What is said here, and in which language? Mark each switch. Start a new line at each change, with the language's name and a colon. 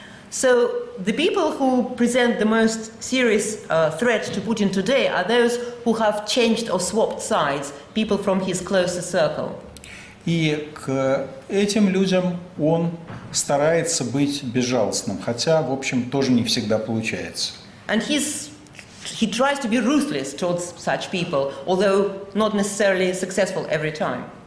English: So the people who present the most serious threat to Putin today are those who have changed or swapped sides, people from his closest circle.
Russian: И к этим людям он старается быть безжалостным, хотя, в общем, тоже не всегда получается.
English: And he tries to be ruthless towards such people, although not necessarily successful every time.